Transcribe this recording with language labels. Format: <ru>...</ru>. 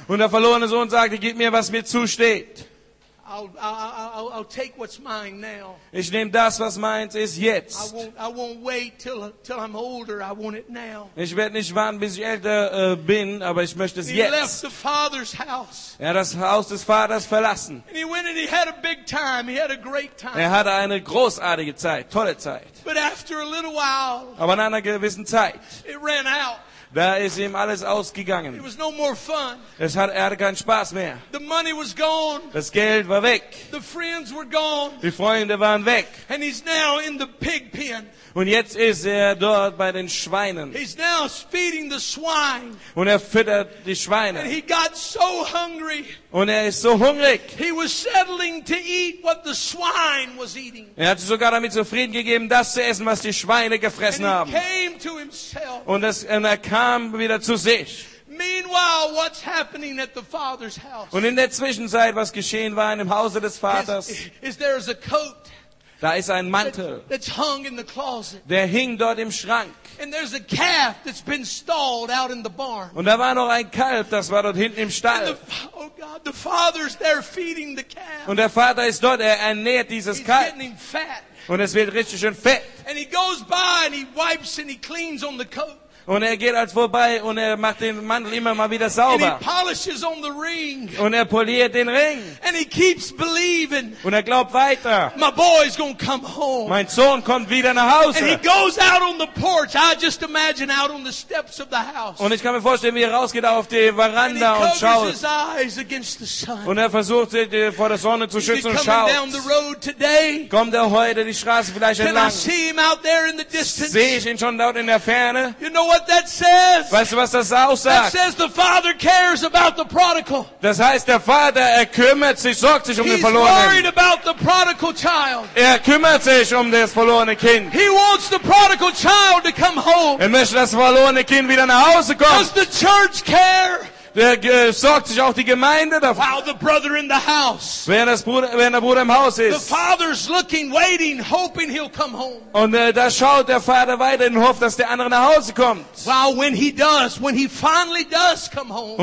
<de>Und der verlorene Sohn sagte, gib mir, was mir zusteht.</de> <en>I'll take what's mine now.</en> <de>Ich nehme das, was meins ist, jetzt.</de> <en>I won't wait till I'm older. I want it now.</en> <de>Ich werde nicht warten, bis ich älter bin, aber ich möchte es jetzt.</de> <en>He left the father's house.</en> <de>Er hat das Haus des Vaters verlassen.</de> <en>And he went and he had a big time. He had a great time.</en> <de>Er hatte eine großartige Zeit, tolle Zeit.</de> <en>But after a little while,</en> <de>aber nach einer gewissen Zeit,</de> <en>it ran out.</en> <de>Da ist ihm alles ausgegangen.</de> <en>It was no more fun.</en> <de>Er hatte keinen Spaß mehr.</de> <en>The money was gone.</en> <de>Das Geld war weg.</de> <en>The friends were gone.</en> <de>Die Freunde waren weg.</de> <en>And he's now in the pig pen.</en> <de>Und jetzt ist er dort bei den Schweinen.</de> <en>He's now feeding the swine.</en> <de>Und er füttert die Schweine.</de> <en>And he got so hungry.</en> <de>Und er ist so hungrig.</de> <en>He was settling to eat what the swine was eating.</en> <de>Er hat sich sogar damit zufrieden gegeben, das zu essen, was die Schweine gefressen</de> <en>and he</en> <de>haben.</de> <en>Came to himself.</en> <de>Und er kam wieder zu sich.</de> <en>Meanwhile, what's happening at the father's house?</en> <de>Und in der Zwischenzeit, was geschehen war in dem Hause des Vaters,</de> <en>is a coat.</en> <de>Da ist ein Mantel,</de> <en>that's hung in the closet.</en> <de>Der hing dort im Schrank.</de> <en>And there's a calf that's been stalled out in the barn.</en> <de>Und da war noch ein Kalb, das war dort hinten im Stall.</de> <en>The father's there feeding the calf.</en> <de>Und der Vater ist dort, er ernährt dieses</de> <en>He's</en> <de>Kalb.</de> <en>Getting fat.</en> <de>Und es wird richtig schön fett.</de> <en>And he goes by and he wipes and he cleans on the coat.</en> <de>Und er geht halt vorbei und er macht den Mantel immer mal wieder sauber.</de> <en>And he polishes on the ring.</en> <de>Und er poliert den Ring.</de> <en>And he keeps believing.</en> <de>Und er glaubt weiter.</de> <en>My boy's gonna come home.</en> <de>Mein Sohn kommt wieder nach Hause.</de> <en>And he goes out on the porch. I just imagine out on the steps of the house.</en> <de>Und ich kann mir vorstellen, wie er rausgeht auf die Veranda</de> <en>and he</en> <de>und schaut.</de> <en>His eyes against the sun.</en> <de>Und er versucht, sich vor der Sonne zu schützen und schaut.</de> <en>Down the road today?</en> <de>Kommt er heute die Straße vielleicht</de> <en>Can</en> <de>entlang?</de> <en>I see him out there in the distance?</en> <de>Sehe ich ihn schon dort in der Ferne?</de> <en>You know what that says?</en> <de>Weißt du, was das aussagt?</de> <en>That says the father cares about the prodigal.</en> <de>Das heißt, der Vater, er kümmert sich, sorgt sich um den Verlorenen.</de> <en>He's worried about the prodigal child.</en> <de>Er kümmert sich um das verlorene Kind.</de> <en>He wants the prodigal child to come home.</en> <de>Er möchte, dass das verlorene Kind wieder nach Hause kommt.</de> <en>Does the church care?</en> <de>Der sorgt sich auch die Gemeinde davon.</de> <en>While the brother in the house.</en> <de>Wenn der Bruder im Haus ist.</de> <en>The father's looking, waiting, hoping he'll come home.</en> <de>Und da schaut der Vater weiter und hofft, dass der andere nach Hause kommt.</de> <en>While when he does, when he finally does come home.</en>